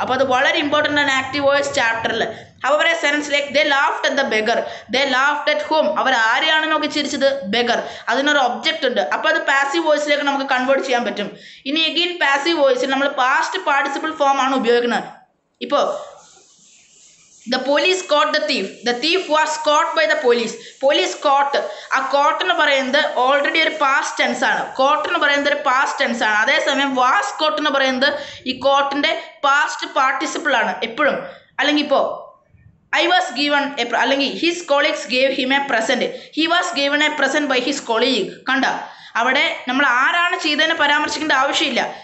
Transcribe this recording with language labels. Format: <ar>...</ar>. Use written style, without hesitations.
<ml>അപ്പൊ അത് വളരെ ഇമ്പോർട്ടൻ്റ് ആണ് ആക്റ്റീവ് വോയിസ് ചാപ്റ്ററിൽ. അവർ പറയുന്ന sentence like</ml> <en>They laughed at the beggar. They laughed at home.</en> <ml>അവർ ആരെയാണ് നോക്കി ചിരിച്ചത്? ബെഗർ. അതിനൊരു ഒബ്ജക്റ്റ് ഉണ്ട്. അപ്പൊ അത് പാസീവ് വോയിസിലേക്ക് നമുക്ക് കൺവേർട്ട് ചെയ്യാൻ പറ്റും. ഇനി അഗെയിൻ പാസീവ് വോയിസിൽ നമ്മൾ പാസ്റ്റ് പാർട്ടിസിപ്പിൾ ഫോം ആണ് ഉപയോഗിക്കുന്നത്. ഇപ്പോ</ml> <en>The police caught the thief. The thief was caught by the police. Police caught.</en> <ml>A caught എന്ന് പറയുന്നത് ഓൾറെഡി ഒരു പാസ്റ്റ് ടെൻസ് ആണ്. കോട്ട് എന്ന് പറയുന്നത് ഒരു പാസ്റ്റ് ടെൻസ് ആണ്. അതേസമയം വാസ് കോട്ട് എന്ന് പറയുന്നത് ഈ കോട്ടിൻ്റെ പാസ്റ്റ് പാർട്ടിസിപ്പിൾ ആണ് എപ്പോഴും. അല്ലെങ്കിൽ ഇപ്പോൾ</ml> <en>I was given a</en> <ml>അല്ലെങ്കിൽ</ml> <en>His colleagues gave him a present. He was given a present by his colleague.</en> <ml>കണ്ട അവിടെ നമ്മൾ ആരാണ് ചെയ്തതിനെ പരാമർശിക്കേണ്ട ആവശ്യമില്ല.</ml>